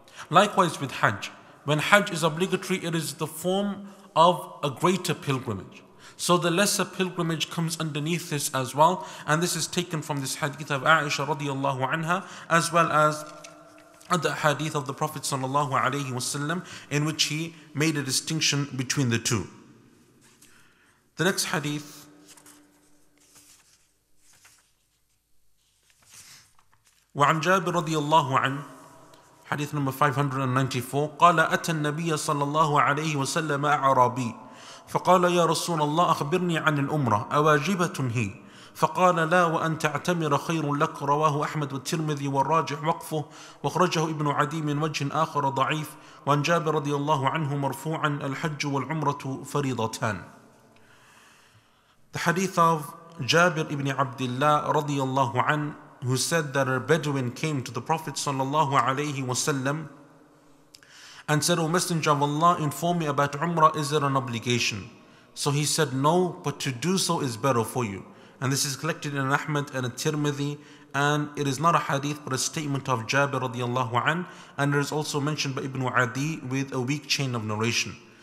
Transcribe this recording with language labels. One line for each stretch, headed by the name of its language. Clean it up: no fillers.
English: Likewise with Hajj. When Hajj is obligatory, it is the form of a greater pilgrimage. So the lesser pilgrimage comes underneath this as well. And this is taken from this hadith of Aisha radiallahu anha, as well as the hadith of the Prophet sallallahu alayhi wasallam, in which he made a distinction between the two. The next hadith
Arabic: وعن جابر رضي الله عنه,
English: hadith number 594,
Arabic: قال أتى النبي صلى الله عليه وسلم أعرابي فقال يا رسول الله أخبرني عن الأمرة أواجبة هي فقال لا وأن تعتمر خير لك رواه أحمد والترمذي والراجح وقفه وخرجه ابن عدي من وجه آخر ضعيف وعن جابر رضي الله عنه مرفوعا الحج والعمرة فريضتان.
English: The hadith of Jabir ibn Abdullah
Arabic: رضي الله عنه,
English: who said that a Bedouin came to the Prophet sallallahu alayhi wasallam and said, O Messenger of Allah, inform me about Umrah, is it an obligation? So he said, no, but to do so is better for you. And this is collected in Ahmad and Tirmidhi, and it is not a hadith but a statement of Jabir radiallahu anhu, and it is also mentioned by Ibn Adi with a weak chain of narration.